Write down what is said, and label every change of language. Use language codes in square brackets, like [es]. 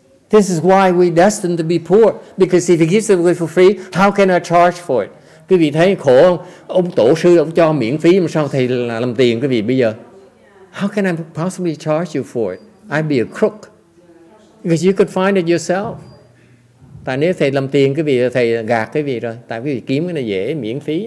[en] This is why we're destined to be poor. Because if he gives it away for free, how can I charge for it? [vi] Quý vị thấy khổ không? Ông tổ sư ông cho miễn phí mà sao thầy làm tiền quý vị bây giờ? [en] How can I possibly charge you for it? I'd be a crook. Because you could find it yourself. [vi] Tại nếu thầy làm tiền quý vị, thầy gạt quý vị rồi. Tại quý vị kiếm cái này dễ, miễn phí.